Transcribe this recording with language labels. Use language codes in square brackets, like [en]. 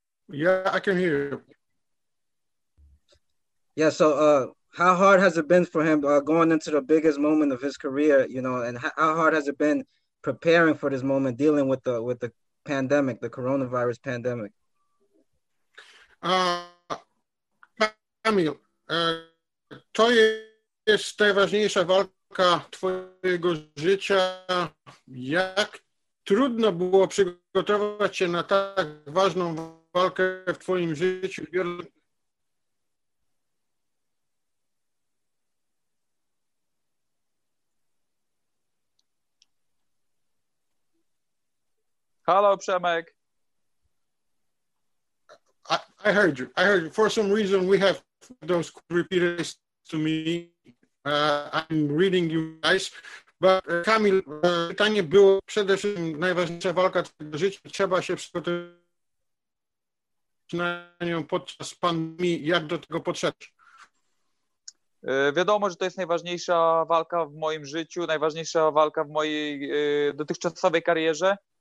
[en] Yeah, I can hear you. Yeah, so how hard has it been for him going into the biggest moment of his career, and how hard has it been preparing for this moment, dealing with the pandemic, the coronavirus pandemic? [pl] Kamil, to jest najważniejsza walka roka twojego życia, jak trudno było przygotować się na tak ważną walkę w twoim życiu? [en] Hello, Przemek. I heard you. For some reason, we have those repeaters to me. I'm reading you guys. [pl] But Kamil, pytanie było przede wszystkim najważniejsza walka tego życia. Trzeba się przygotować na nią podczas pandemii. Jak do tego podszedł? Wiadomo, że to jest najważniejsza walka w moim życiu, najważniejsza walka w mojej dotychczasowej karierze.